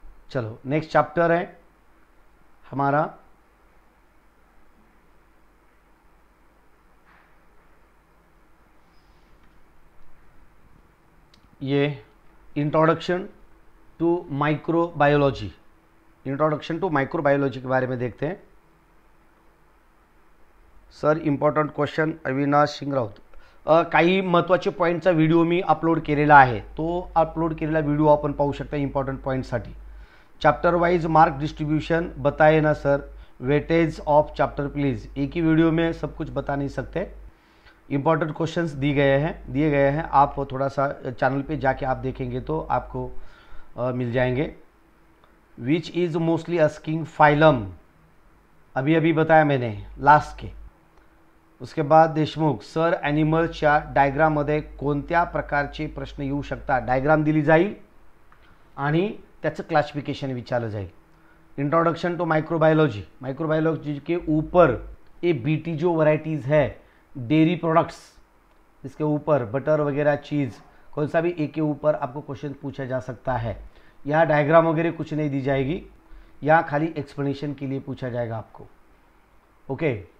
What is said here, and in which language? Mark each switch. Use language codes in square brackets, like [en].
[hi] चलो next chapter है हमारा, ये introduction to microbiology, introduction to microbiology के बारे में देखते हैं। [mr] Sir important question, Avinash Singh Raut, काही महत्त्वाचे पॉइंटचा व्हिडिओ मी अपलोड केलेला आहे, तो अपलोड केलेला व्हिडिओ आपण पाहू शकता इम्पॉर्टंट पॉईंटसाठी। [hi] Chapter wise mark distribution बताए ना sir, [en] weightage of chapter please, [hi] एक ही व्हिडिओ में सब कुछ बता नहीं सकते। इम्पॉर्टेंट क्वेश्चंस दिए गए हैं, आप थोड़ा सा चैनल पे जाके आप देखेंगे तो आपको मिल जाएंगे। [en] which is mostly asking phylum, [hi] अभी अभी बताया मैंने [en] Last के। [mr] उसके बाद देशमुख सर, एनिमल्सच्या डायग्राम मध्ये कोणत्या प्रकारचे प्रश्न येऊ शकतात, डायग्राम दिली जाईल आणि त्याचं क्लासिफिकेशन विचारलं जाईल। [hi] इंट्रोडक्शन टू मायक्रोबायोलॉजी, मायक्रोबायोलॉजी के ऊपर ये बीटी जो वराइटीज है, डेयरी प्रोडक्ट्स इसके ऊपर, बटर वगैरह चीज़ कौन सा भी एक के ऊपर आपको क्वेश्चन पूछा जा सकता है। यहाँ डायग्राम वगैरह कुछ नहीं दी जाएगी, यहाँ खाली एक्सप्लेनेशन के लिए पूछा जाएगा आपको, ओके।